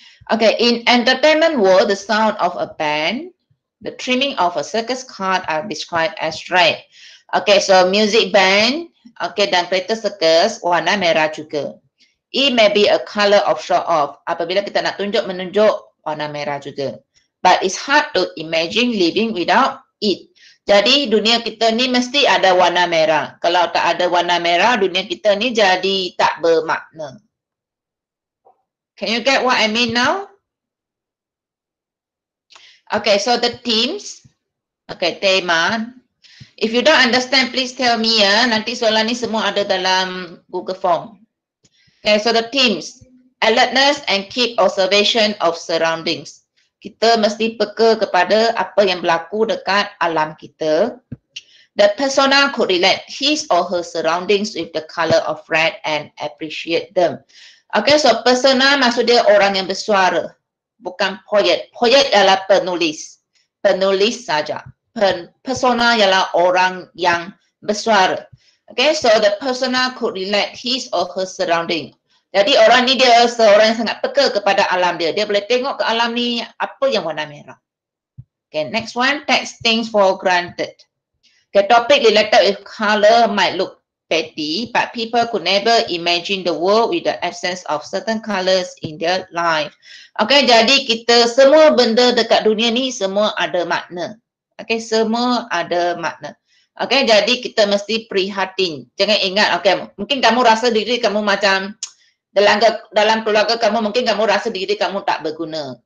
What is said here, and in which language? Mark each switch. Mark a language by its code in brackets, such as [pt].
[en] Okay, in entertainment world, the sound of a band, the trimming of a circus cart are described as red. Okay, so music band, [ms] okay, dan kereta circus warna merah juga. [en] It may be a color of show off. [ms] Apabila kita nak tunjuk menunjuk warna merah juga. [en] But it's hard to imagine living without it. [ms] Jadi dunia kita ni mesti ada warna merah. Kalau tak ada warna merah, dunia kita ni jadi tak bermakna. [en] Can you get what I mean now? Okay, so the themes. Okay, tema. If you don't understand, please tell me ya. [ms] Nanti soalan ni semua ada dalam Google Form. [en] Okay, so the themes. Alertness and keep observation of surroundings. [ms] Kita mesti peka kepada apa yang berlaku dekat alam kita. [en] The persona could relate his or her surroundings with the color of red and appreciate them. [ms] Okay, so persona maksud dia orang yang bersuara. Bukan poet. Poet ialah penulis. Penulis saja. Persona ialah orang yang bersuara. [en] Okay, so the persona could relate his or her surroundings. [ms] Jadi orang ni dia seorang yang sangat peka kepada alam dia. Dia boleh tengok ke alam ni apa yang warna merah. [en] Okay, next one. Take things for granted. Okay, topic related with color might look petty, but people could never imagine the world with the absence of certain colors in their life. [ms] Okay, jadi kita semua benda dekat dunia ni semua ada makna. Okay, semua ada makna. Okay, jadi kita mesti prihatin. Jangan ingat, okay, mungkin kamu rasa diri kamu macam dalam keluarga kamu, mungkin kamu rasa diri kamu tak berguna.